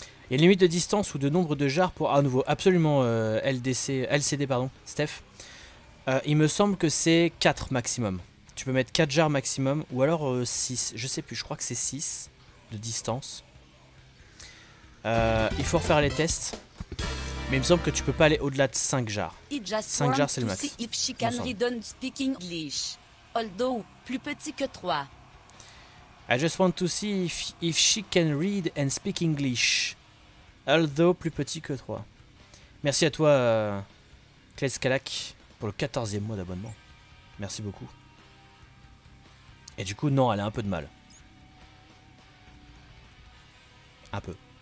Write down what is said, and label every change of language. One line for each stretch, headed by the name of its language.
French: Il y a une limite de distance ou de nombre de jars pour... Ah, à nouveau, absolument, LCD, pardon, Steph. Il me semble que c'est 4 maximum. Tu peux mettre 4 jarres maximum ou alors 6. Je sais plus, je crois que c'est 6 de distance. Il faut refaire les tests. Mais il me semble que tu peux pas aller au-delà de 5 jarres. 5 jarres, c'est le max.
English: If she can read and speak English.
French: Although, plus petit que 3.
English: I just want to see if she can read and speak English.
French: Although, plus petit que 3. Merci à toi, Claes Kalak, pour le 14e mois d'abonnement. Merci beaucoup. Et du coup, non, elle a un peu de mal. Un peu.